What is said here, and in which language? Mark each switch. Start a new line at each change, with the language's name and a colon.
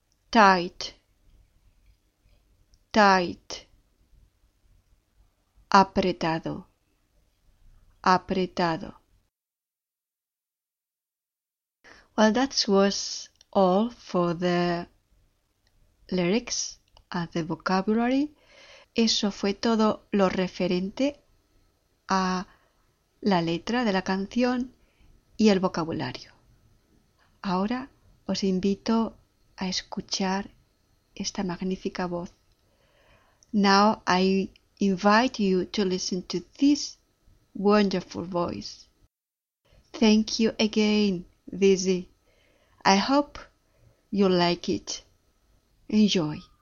English: Tight, tight.
Spanish: Apretado, apretado.
English: Well, that was all for the lyrics and the vocabulary.
Spanish: Eso fue todo lo referente a la letra de la canción y el vocabulario. Ahora os invito a escuchar esta magnífica voz.
English: Now I invite you to listen to this wonderful voice. Thank you again, Dizzy. I hope you like it. Enjoy.